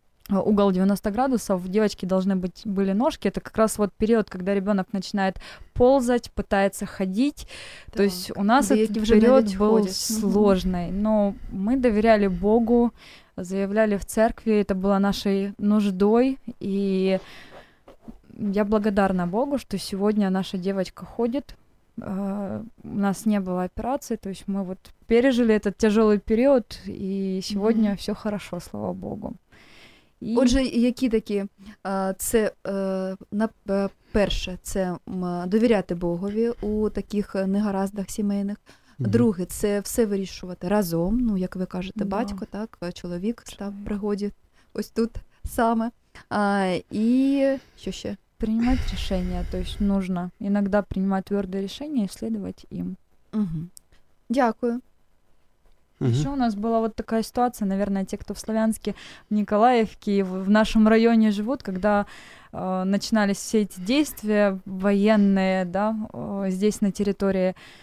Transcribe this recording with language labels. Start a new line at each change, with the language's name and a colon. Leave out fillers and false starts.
Russian: угол 90 градусов девочки должны быть, были ножки, это как раз вот период, когда ребенок начинает ползать, пытается ходить, так, то есть у нас этот период был сложный, но мы доверяли Богу, заявляли в церкви, это было нашей нуждой, и я благодарна Богу, что сегодня наша девочка ходит. У нас не было операции, то есть мы вот пережили этот тяжелый период, и сегодня все хорошо, слава Богу. И...
Ukrainian: Отже, які такі, це, на перше, це довіряти Богові у таких негараздах сімейних. Друге, це все вирішувати разом, ну, як ви кажете, батько, так, чоловік став в пригоді ось тут саме. І що ще?
Russian: Принимать решения, то есть нужно иногда принимать твердые решения и следовать им.
Ukrainian: Угу. Дякую.
Russian: Еще у нас была вот такая ситуация, наверное, те, кто в Славянске, в Николаевке, в нашем районе живут, когда начинались все эти действия военные, да, здесь на территории.